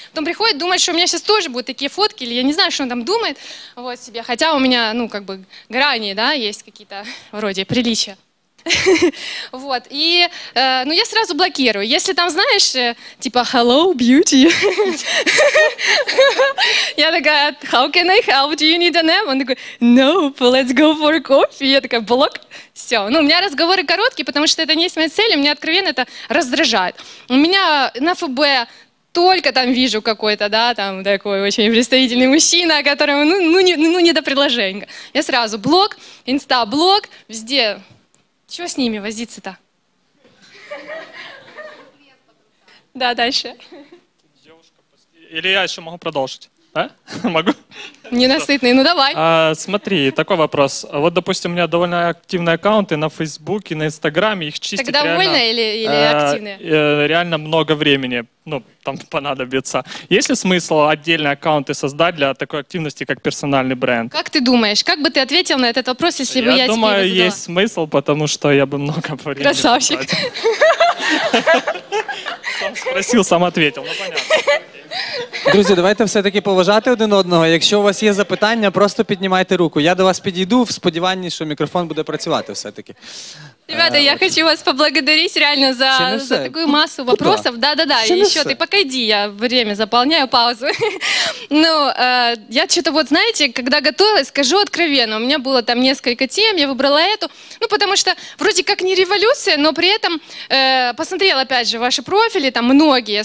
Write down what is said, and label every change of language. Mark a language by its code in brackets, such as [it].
[ru] Потом приходит, думает, что у меня сейчас тоже будут такие фотки, или я не знаю, что он там думает. Вот себе, хотя у меня, ну, как бы грани, да, есть какие-то вроде приличия. Вот, и, ну, я сразу блокирую. Если там, знаешь, типа, hello, beauty. [en] Я такая, how can I help? Do you need a name? Он такой, nope, let's go for coffee. [ru] Я такая, блок, все. Ну, у меня разговоры короткие, потому что это не есть моя цель, и мне откровенно это раздражает. У меня на ФБ только там вижу какой-то, да, там такой очень представительный мужчина, которому, не до предложения. Я сразу блок, инста блок, везде... Чего с ними возиться-то? Да, дальше. Девушка, или я еще могу продолжить? А? Могу? Ненасытный, ну давай. А, смотри, такой вопрос. Вот, допустим, у меня довольно активные аккаунты на Фейсбуке, на Инстаграме, их чистить реально... Так довольно или активные? Реально много времени, ну, там понадобится. Есть ли смысл отдельные аккаунты создать для такой активности, как персональный бренд? Как ты думаешь, как бы ты ответил на этот вопрос, если бы я тебе Я думаю, есть смысл, потому что я бы много времени... Красавчик. Сам спросил, сам ответил, ну понятно. [uk] Друзья, давайте все-таки поважати один одного, якщо у вас є запитання, просто піднімайте руку. Я до вас підійду в сподіванні, що мікрофон буде працювати все-таки. [ru] Ребята, я хочу вас поблагодарить реально за такую массу вопросов. Да-да-да, еще ты пока иди, я время заполняю, паузу. Ну, я что-то вот, знаете, когда готовилась, скажу откровенно, у меня было там несколько тем, я выбрала эту. Ну, потому что вроде как не революция, но при этом посмотрела опять же ваши профили, там многие.